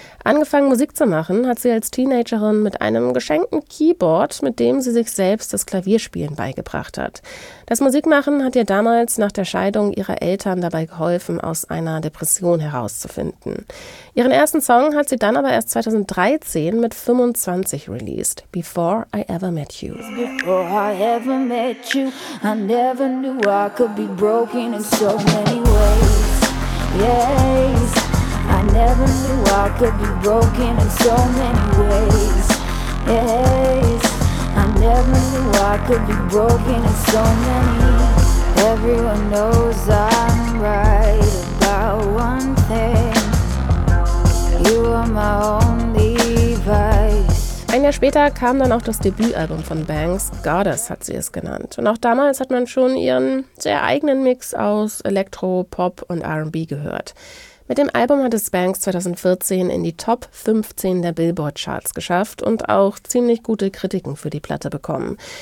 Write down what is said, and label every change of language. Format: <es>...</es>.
<de>Angefangen Musik zu machen, hat sie als Teenagerin mit einem geschenkten Keyboard, mit dem sie sich selbst das Klavierspielen beigebracht hat. Das Musikmachen hat ihr damals nach der Scheidung ihrer Eltern dabei geholfen, aus einer Depression herauszufinden. Ihren ersten Song hat sie dann aber erst 2013 mit 25 released, Before I Ever Met You.</de> <en>Before I ever met you, I never knew I could be broken in so many ways. Yes. I never knew I could be broken in so many ways. Yes, I never knew I could be broken in so many. Everyone knows I'm right about one thing. You are my only vice.</en> <de>Ein Jahr später kam dann auch das Debütalbum von Banks, Goddess hat sie es genannt. Und auch damals hat man schon ihren sehr eigenen Mix aus Elektro, Pop und R&B gehört. Mit dem Album hat es Banks 2014 in die Top 15 der Billboard-Charts geschafft und auch ziemlich gute Kritiken für die Platte bekommen.</de>